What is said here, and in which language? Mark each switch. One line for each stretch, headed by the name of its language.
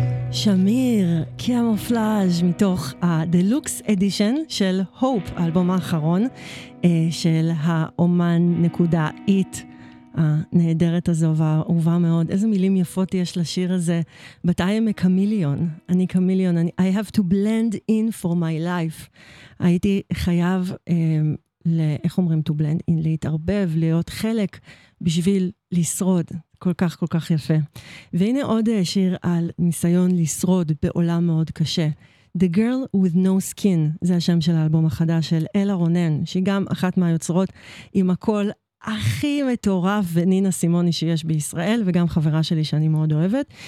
Hebrew: שמיר, קמופלאז' מתוך הדלוקס אדישן של הופ, האלבום האחרון של האומן נקודה איט הנהדרת הזו והאהובה מאוד. איזה מילים יפות יש לשיר הזה.
English: But I am a chameleon.
Hebrew: אני chameleon.
English: I have to blend in for my life.
Hebrew: הייתי חייב איך אומרים
English: to blend in,
Hebrew: להתערבב, להיות חלק בשביל לשרוד. כל כך כל כך יפה. והנה עוד שיר על ניסיון לשרוד בעולם מאוד קשה. The Girl With No Skin, זה השם של האלבום החדש של אלה רונן, שהיא גם אחת מהיוצרות עם הקול הכי מטורף ונינה סימוני שיש בישראל, וגם חברה שלי שאני מאוד אוהבת.